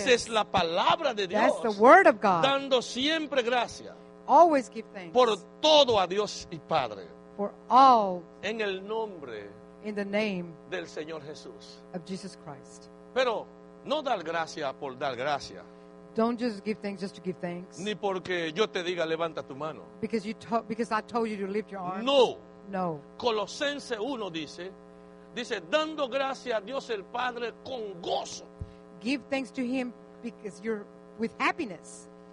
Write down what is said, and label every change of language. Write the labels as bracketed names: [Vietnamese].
[Spanish] Esa es la palabra de Dios. [English] That's the word of God. [Spanish] Dando siempre gracias. [English] Always give thanks. [Spanish] Por todo a Dios y Padre. [English] For all. [Spanish] En el nombre. [English] In the name. [Spanish] Del Señor Jesús. [English] Of Jesus Christ. [Spanish] Pero no dar gracias por dar gracias. [English] Don't just give thanks just to give thanks. [Spanish] Ni porque yo te diga levanta tu mano. [English] Because I told you to lift your arms. [Spanish] No. [English] No. [Spanish] Colosenses 1 dice. Dice, dando gracias a Dios el Padre con gozo. [English] Give thanks to him because you're with happiness.